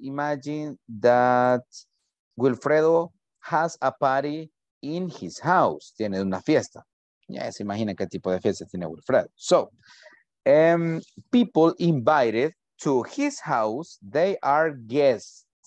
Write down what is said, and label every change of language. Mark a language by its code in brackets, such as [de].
[en] Imagine that Wilfredo has a party in his house. [es] Tiene una fiesta. Ya se imagina qué tipo de fiesta tiene Wilfredo. [en] So, people invited to his house, they are guests.